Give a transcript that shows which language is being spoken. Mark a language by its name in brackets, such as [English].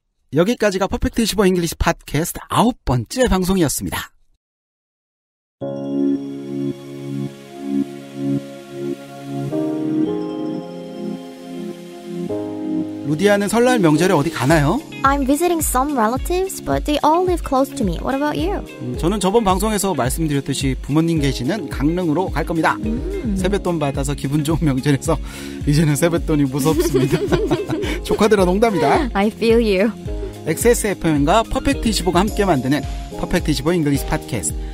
[Korean] Perfect 퍼펙트 25 잉글리시 팟캐스트 아홉 번째 방송이었습니다. 연디하는 설날 명절에 어디 가나요? [English] I'm visiting some relatives, but they all live close to me. What about you? [Korean] 저는 저번 방송에서 말씀드렸듯이 부모님 계시는 강릉으로 갈 겁니다. 세뱃돈 받아서 기분 좋은 명절에서 이제는 세뱃돈이 무섭습니다. 조카들아 농담이다. [English] I feel you. [Korean] XSFM과 퍼펙트25가 함께 만드는 퍼펙트25 잉글리시 팟캐스트.